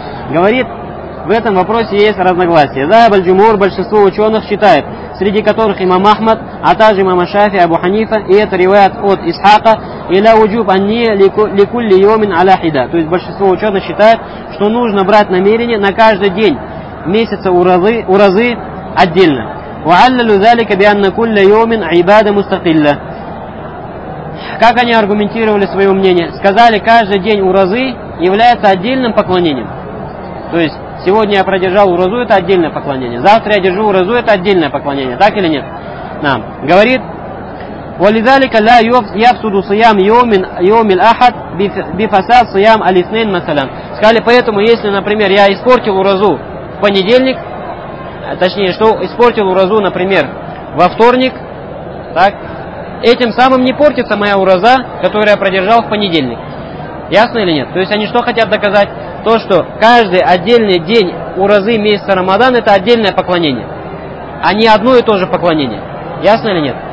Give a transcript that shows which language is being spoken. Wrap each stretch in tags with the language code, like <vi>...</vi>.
<ru>Говорит, в этом вопросе есть разногласия. Зайб аль-Джумур, большинство ученых считает, среди которых имам Ахмад, а также имам Шафи, Абу Ханифа, и это риваят от Исхака,</ru> <ar>«Иля уджуб анни ликулли йомин аля хида».</ar> <ru>То есть большинство ученых считает, что нужно брать намерение на каждый день месяца уразы отдельно.</ru> <ar>وعلل ذلك بأن كل يوم عبادة مستقلة.</ar> <ru>Как они аргументировали свое мнение? Сказали, каждый день уразы является отдельным поклонением. То есть сегодня я продержал уразу, это отдельное поклонение. Завтра я держу уразу, это отдельное поклонение. Так или нет? Нам. Говорит:</ru> <ar>ولذلك لا يفسد صيام يوم الأحد بفساد صيام الاثنين مثلا.</ar> <ru>Сказали, поэтому если, например, я испортил уразу в понедельник, точнее, что испортил уразу, например, во вторник, так, этим самым не портится моя ураза, которую я продержал в понедельник. Ясно или нет? То есть они что хотят доказать? То, что каждый отдельный день уразы месяца Рамадан – это отдельное поклонение, а не одно и то же поклонение. Ясно или нет?</ru>